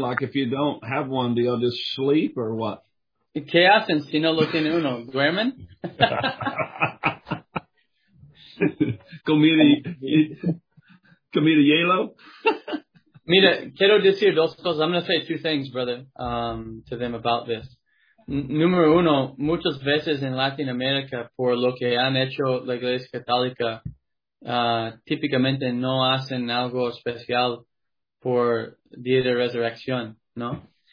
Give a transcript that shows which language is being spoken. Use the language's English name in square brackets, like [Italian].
[English] Like, if you don't have one, do y'all just sleep or what? [Spanish] ¿Qué hacen si no lo tiene uno? ¿Duermen? ¿Comida hielo? Mira, quiero decir dos cosas. [English] I'm going to say two things, brother, to them about this. [Spanish] Número uno, muchas veces en Latinoamérica, por lo que han hecho la Iglesia Católica, típicamente no hacen algo especial por Día de Resurrección, ¿no?